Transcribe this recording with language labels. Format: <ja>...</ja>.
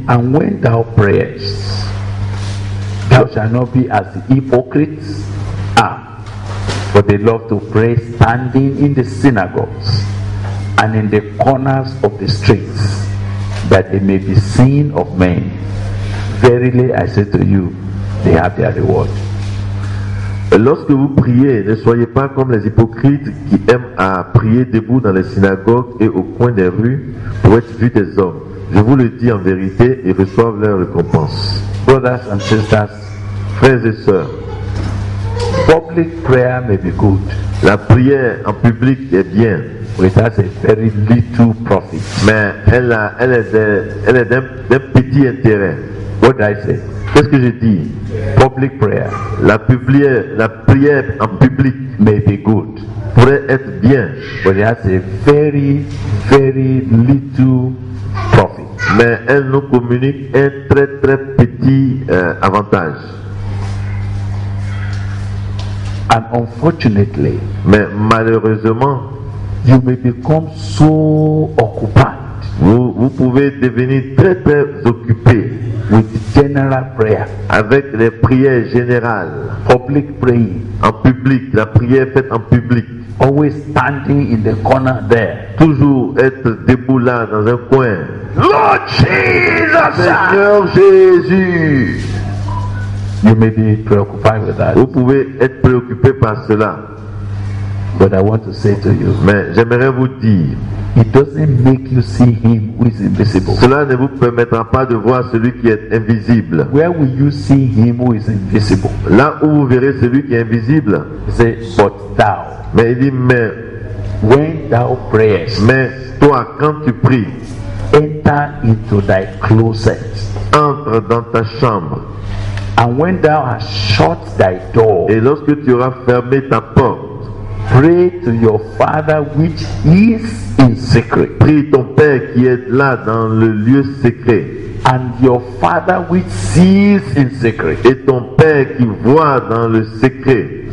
<en>and when thou prayest, thou shalt not be as the hypocrites are, for they love to pray standing in the synagogues and in the corners of the streets, that they may be seen of men. Verily I say to you, they have their reward.</en> <fr>Lorsque vous priez, ne soyez pas comme les hypocrites qui aiment à prier debout dans les synagogues et au coin des rues pour être vus des hommes. Je vous le dis en vérité, ils reçoivent leur récompense.</fr> <en>Brothers and sisters,</en> <fr>frères et sœurs,</fr> <en>public prayer may be good.</en> <fr>La prière en public est bien.</fr> <en>It has a very little profit.</en> <fr>Mais elle est d'un petit intérêt.</fr> <en>What did I say?</en> <fr>Qu'est-ce que je dis?</fr> <en>Public prayer.</en> <fr>La prière en public</fr> <en>may be good.</en> <fr>Pourrait être bien.</fr> <en>But it has a very, very little profit.</en> <fr>Mais elle nous communique un très, très petit avantage.</fr> <en>And unfortunately,</en> <fr>mais malheureusement,</fr> <en>you may become so occupied.</en> <fr>Vous pouvez devenir très très occupé</fr> <en>with general prayer.</en> <fr>Avec les prières générales.</fr> <en>Public praying.</en> <fr>En public, la prière faite en public.</fr> <en>Always standing in the corner there.</en> <fr>Toujours être debout là dans un coin.</fr> <en>Lord Jesus!</en> <fr>Seigneur Jésus!</fr> <en>You may be preoccupied with that.</en> <fr>Vous pouvez être préoccupé par cela.</fr> <en>But I want to say to you,</en> <fr>mais j'aimerais vous dire,</fr> <en>it doesn't make you see him who is invisible.</en> <fr>Cela ne vous permettra pas de voir celui qui est invisible.</fr> <en>Where will you see him who is invisible?</en> <fr>Là où vous verrez celui qui est invisible.</fr> <en>Say, but thou.</en> <fr>Mais il dit, mais</fr> <en>when thou prayest,</en> <fr>mais toi quand tu pries,</fr> <en>enter into thy closet.</en> <fr>Entre dans ta chambre.</fr> <en>And when thou hast shut thy door,</en> <fr>et lorsque tu auras fermé ta porte,</fr> <en>pray to your father which is in secret.</en> <fr>Prie ton père qui est là dans le lieu secret.</fr> <en>And your father which sees in secret,</en> <fr>et ton père qui voit dans le secret,</fr>